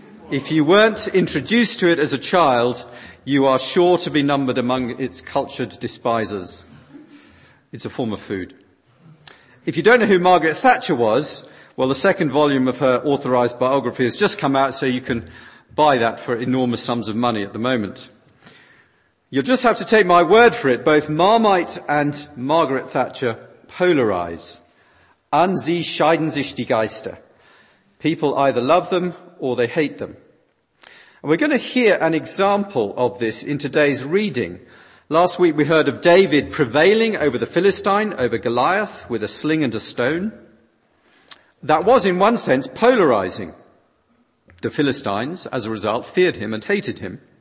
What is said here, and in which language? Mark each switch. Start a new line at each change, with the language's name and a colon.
English: If you weren't introduced to it as a child, you are sure to be numbered among its cultured despisers. It's a form of food. If you don't know who Margaret Thatcher was, well, the second volume of her authorised biography has just come out, so you can buy that for enormous sums of money at the moment. You'll just have to take my word for it. Both Marmite and Margaret Thatcher polarise.
German: An sie scheiden sich die Geister.
English: People either love them or they hate them. And we're going to hear an example of this in today's reading. Last week we heard of David prevailing over the Philistine, over Goliath, with a sling and a stone. That was, in one sense, polarizing. The Philistines, as a result, feared him and hated him.